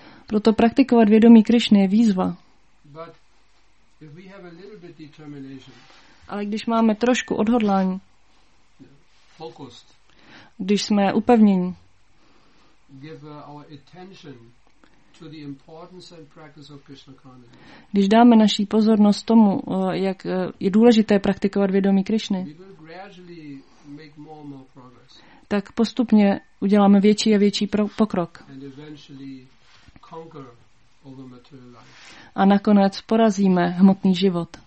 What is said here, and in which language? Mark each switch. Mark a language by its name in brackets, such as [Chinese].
[Czech] Proto praktikovat vědomí Krishny je výzva. [English] But if we have a little bit determination, [Czech] ale když máme trošku odhodlání, [English] focused, [Czech] když jsme upevnění, [English] give our attention to the importance and practice of Krishna consciousness, [Czech] když dáme naší pozornost tomu, jak je důležité praktikovat vědomí Krishny, [English] we will gradually make more and more progress, [Czech] tak postupně uděláme větší a větší pokrok. [English] And eventually conquer all the material life. [Czech] A nakonec porazíme hmotný život.